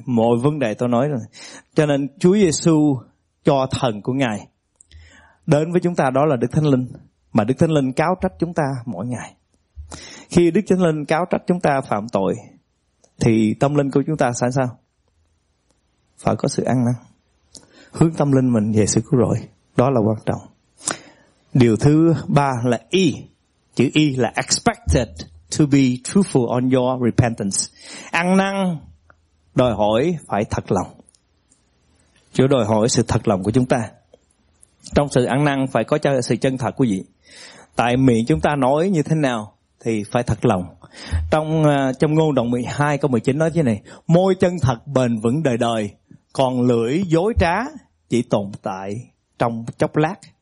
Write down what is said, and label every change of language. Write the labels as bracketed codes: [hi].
[vi] Mọi vấn đề tôi nói rồi. Cho nên Chúa Giê-xu cho thần của Ngài đến với chúng ta, đó là Đức Thánh Linh, mà Đức Thánh Linh cáo trách chúng ta mỗi ngày. Khi Đức Thánh Linh cáo trách chúng ta phạm tội thì tâm linh của chúng ta sẽ sao? Phải có sự ăn năn, hướng tâm linh mình về sự cứu rỗi. Đó là quan trọng. Điều thứ ba là E. [en] Chữ E là expected to be truthful on your repentance. [vi] Ăn năn đòi hỏi phải thật lòng. Chúa đòi hỏi sự thật lòng của chúng ta. Trong sự ăn năn phải có sự chân thật của vị. Tại miệng chúng ta nói như thế nào thì phải thật lòng. Trong ngôn đoạn 12 câu 19 nói thế này: môi chân thật bền vững đời đời, còn lưỡi dối trá chỉ tồn tại trong chốc lát.